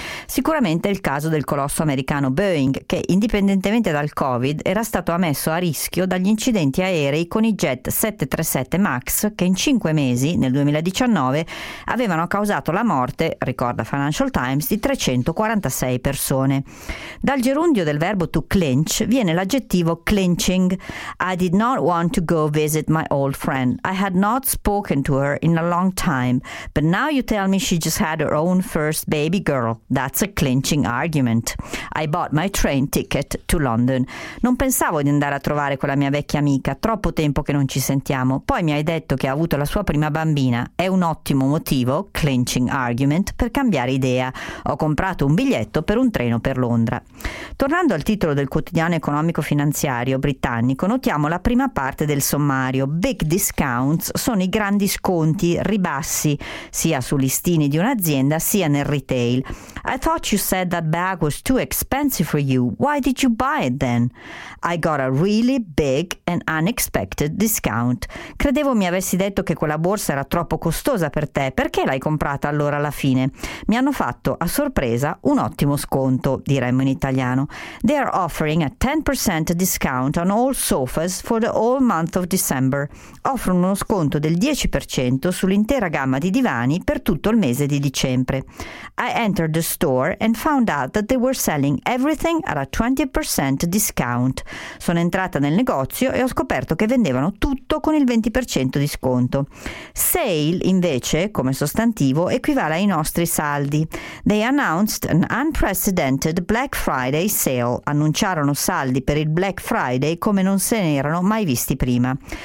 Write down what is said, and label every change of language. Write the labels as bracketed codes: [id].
[it] Sicuramente è il caso del colosso americano Boeing, che indipendentemente dal Covid era stato messo a rischio dagli incidenti aerei con i jet 737 MAX che in 5 mesi, nel 2019, avevano causato la morte, ricorda Financial Times, di 346 persone. Dal gerundio del verbo to clinch viene l'aggettivo clinching. [en] I did not want to go visit my old friend. I had not spoken to her in a long time. But now you tell me she just had her own first baby girl. That's a clinching argument. I bought my train ticket to London. [it] Non pensavo di andare a trovare quella mia vecchia amica. Troppo tempo che non ci sentiamo. Poi mi hai detto che ha avuto la sua prima bambina. È un ottimo motivo, clinching argument, per cambiare idea. Ho comprato un biglietto per un treno per Londra. Tornando al titolo del quotidiano economico finanziario britannico, notiamo la prima parte del sommario. Big discounts sono i grandi sconti, ribassi, sia su listini di un'azienda sia nel retail. [en] I thought you said that bag was too expensive for you. Why did you buy it then? I got a really big and unexpected discount. [it] Credevo mi avessi detto che quella borsa era troppo costosa per te. Perché l'hai comprata allora alla fine? Mi hanno fatto, a sorpresa, un ottimo sconto, diremmo in italiano. [en] They are offering a 10% discount on all sofas for the whole month of December. [it] Offrono uno sconto del 10% sull'intera gamma di divani per tutto il mese di dicembre. [en] I entered the store and found out that they were selling everything at a 20% discount. [it] Sono entrata nel negozio e ho scoperto che vendevano tutto con il 20% di sconto. Sale, invece, come sostantivo, equivale ai nostri saldi. [en] They announced an unprecedented Black Friday sale. [it] Annunciarono saldi per il Black Friday come non se ne erano mai visti prima.